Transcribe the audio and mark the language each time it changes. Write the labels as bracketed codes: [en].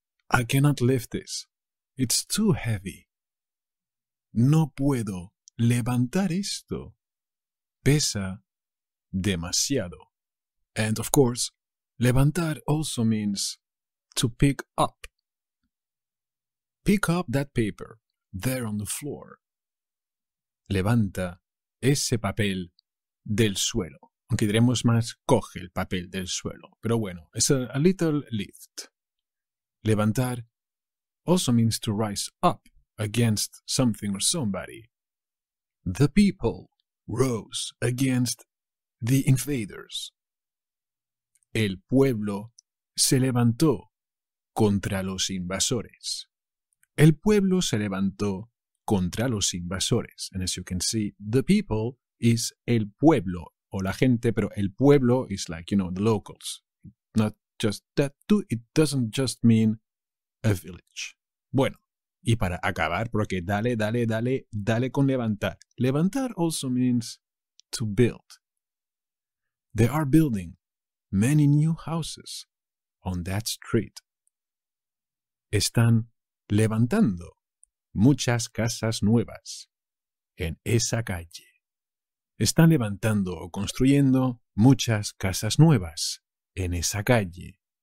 [en] I cannot lift this. It's too heavy. [es] No puedo levantar esto. Pesa demasiado. [en] And of course, levantar also means to pick up. Pick up that paper there on the floor. [es] Levanta ese papel del suelo. Aunque diremos más, coge el papel del suelo. Pero bueno, [en] it's a little lift. Levantar also means to rise up against something or somebody. The people rose against the invaders. [es] El pueblo se levantó contra los invasores. El pueblo se levantó contra los invasores. [en] And as you can see, the people is el pueblo, [es] o la gente, pero el pueblo [en] is like, you know, the locals. Not just that too, it doesn't just mean a village. [es] Bueno, y para acabar, porque dale, dale, dale, dale con levantar. [en] Levantar also means to build. They are building many new houses on that street. [es] Están levantando muchas casas nuevas en esa calle. Están levantando o construyendo muchas casas nuevas en esa calle.